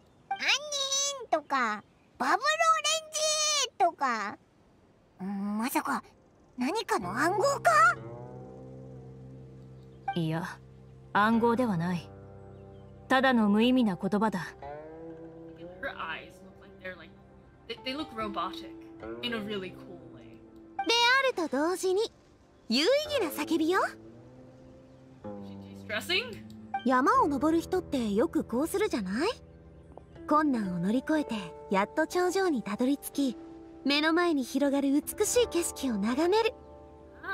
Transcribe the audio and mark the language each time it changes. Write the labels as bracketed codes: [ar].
[ja] アンニーンとか、バブルオレンジーとか、まさか何かの暗号か? いや、暗号ではない。ただの無意味な言葉だ。 [en] Her eyes look like they're like, they look robotic in a really cool. [ja] であると同時に有意義な叫びよ。 [en] Stressing? [ja] 山を登る人ってよくこうするじゃない。困難を乗り越えてやっと頂上にたどり着き、目の前に広がる美しい景色を眺める、ah.